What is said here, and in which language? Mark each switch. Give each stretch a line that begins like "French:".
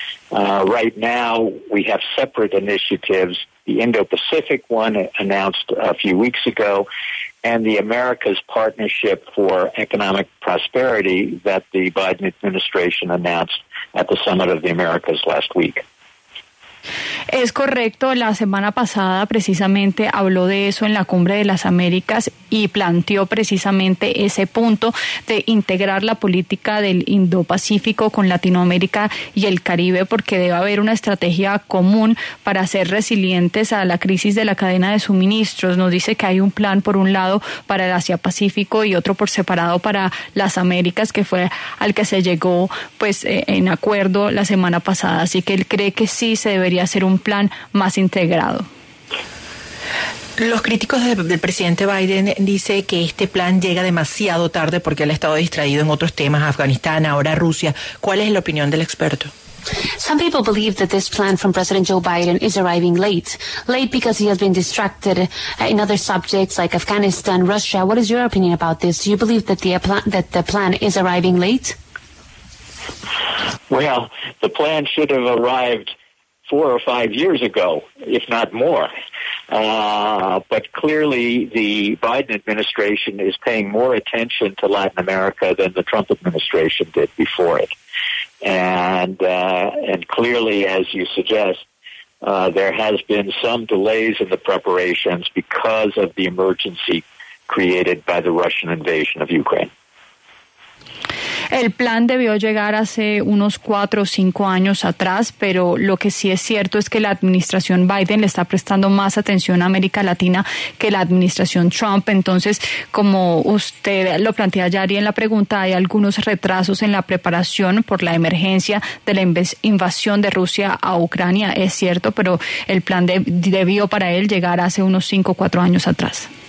English: Right now, we have separate initiatives, the Indo-Pacific one announced a few weeks ago, and the Americas Partnership for Economic Prosperity that the Biden administration announced at the Summit of the Americas last week.
Spanish: Es correcto, la semana pasada precisamente habló de eso en la Cumbre de las Américas y planteó precisamente ese punto de integrar la política del Indo-Pacífico con Latinoamérica y el Caribe, porque debe haber una estrategia común para ser resilientes a la crisis de la cadena de suministros. Nos dice que hay un plan por un lado para el Asia-Pacífico y otro por separado para las Américas, que fue al que se llegó pues en acuerdo la semana pasada. Así que él cree que sí se debe hacer un plan más integrado. Los críticos del presidente Biden dice que este plan llega demasiado tarde porque él ha estado distraído en otros temas, Afganistán, ahora Rusia. ¿Cuál es la opinión del experto?
English: Some people believe that this plan from President Joe Biden is arriving late. Late because he has been distracted in other subjects like Afghanistan, Russia. What is your opinion about this? Do you believe that the plan is arriving late? Well, the plan should have arrived four or five years ago, if not more. But clearly the Biden administration is paying more attention to Latin America than the Trump administration did before it. And clearly, as you suggest, there has been some delays in the preparations because of the emergency created by the Russian invasion of Ukraine.
Spanish: El plan debió llegar hace unos 4 o 5 años atrás, pero lo que sí es cierto es que la administración Biden le está prestando más atención a América Latina que la administración Trump. Entonces, como usted lo plantea ya en la pregunta, hay algunos retrasos en la preparación por la emergencia de la invasión de Rusia a Ucrania, es cierto, pero el plan debió para él llegar hace unos 5 o 4 años atrás.